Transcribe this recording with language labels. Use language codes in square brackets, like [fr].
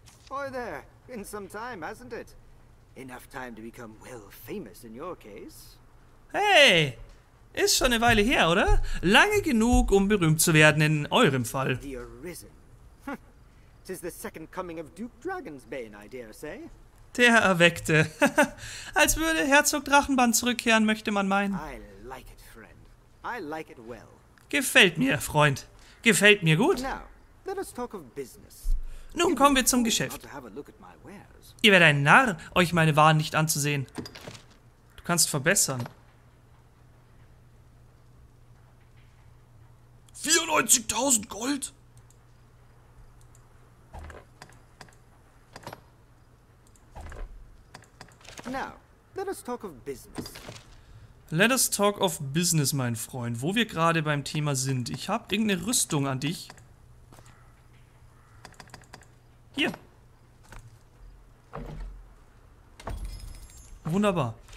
[en] Hi there, been some time, hasn't it? Enough time to become well famous in your case. [de] Hey, ist schon eine Weile her, oder? Lange genug, um berühmt zu werden in eurem Fall. [en] The Arisen. Tis the second coming of Duke Dragonsbane, I dare say. [de] Der Erweckte. Als würde Herzog Drachenband zurückkehren, möchte man meinen. [en] I like it, friend. I like it well. [de] Gefällt mir, Freund. Gefällt mir gut. [en] Now, let us talk of business. [de] Nun kommen wir zum Geschäft. Ihr werdet ein Narr, euch meine Waren nicht anzusehen. Du kannst verbessern. 94.000 Gold? [en] Now, let us talk of business. Let us talk of business, [de] mein Freund. Wo wir gerade beim Thema sind. Ich habe irgendeine Rüstung an dich. Hier. Wunderbar.